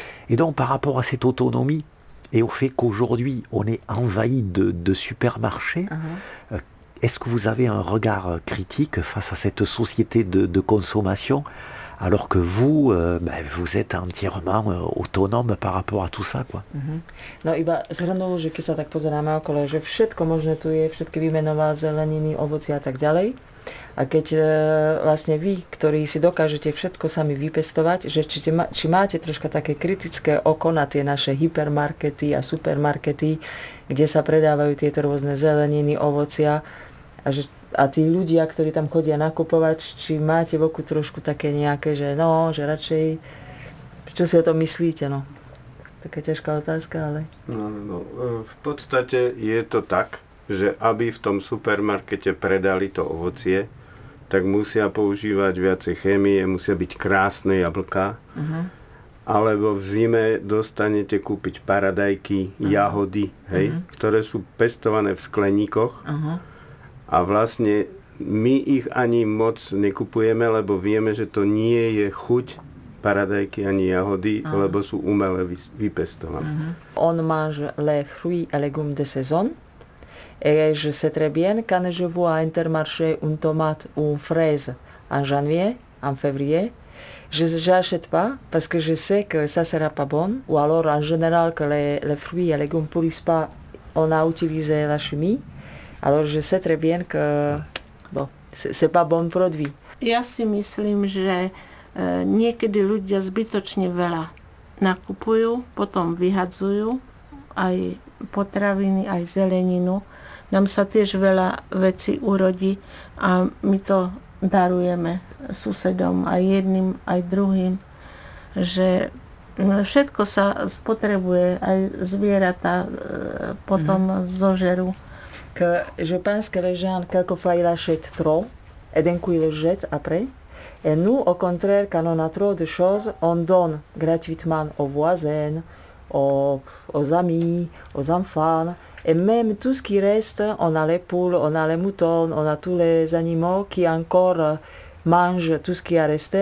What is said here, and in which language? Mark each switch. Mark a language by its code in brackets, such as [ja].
[fr] Et donc, par rapport à cette autonomie, et au fait qu'aujourd'hui, on est envahi de supermarchés, est-ce que vous avez un regard critique face à cette société de consommation, alors que vous, vous êtes entièrement autonome par rapport à tout ça, quoi? [sk] No iba zhrnul, že keď sa tak pozeráme okolo, že všetko možné tu je, všetky vymenovali, zeleniny, ovoci a tak ďalej. A keď vlastne vy, ktorí si dokážete všetko sami vypestovať, že či máte troška také kritické oko na tie naše hypermarkety a supermarkety, kde sa predávajú tieto rôzne zeleniny, ovocia, a tí ľudia, ktorí tam chodia nakupovať, či máte v oku trošku také nejaké, že no, že radšej, čo si o tom myslíte, no? Taká ťažká otázka, ale... No, v podstate je to tak, že aby v tom supermarkete predali to ovocie, tak musia používať viacej chémie, musia byť krásne jablká. Alebo v zime dostanete kúpiť paradajky, jahody, hej, ktoré sú pestované v skleníkoch. A vlastne my ich ani moc nekupujeme, lebo vieme, že to nie je chuť paradajky ani jahody, lebo sú umelé vypestované. [fr] On má le fruit et légumes de saison. Et je sais très bien, quand je vois à Intermarché une tomate ou une fraise en janvier, en février, je n'achète pas parce que je sais que ça ne sera pas bon. Ou alors, en général, que les fruits et légumes ne pourrissent pas, on a utilisé la chimie. Alors, je sais très bien que bon, ce n'est pas bon produit. [sk] Ja si myslím, že niekedy ľudia zbytočne veľa nakupujú, potom vyhadzujú aj potraviny, aj zeleninu. Nám sa tiež veľa vecí urodí a my to darujeme susedom aj jedným, aj druhým, že všetko sa spotrebuje, aj zvieratá potom zožerú. [fr] Que je pense que les gens quelquefois ils achètent trop et d'un coup ils le jettent après. Et nous, au contraire, quand on a trop de choses, on donne gratuitement aux voisins, aux amis, aux enfants. Et même tout ce qui reste, on a les poules, on a les moutons, on a tous les animaux qui encore mangent tout ce qui a resté.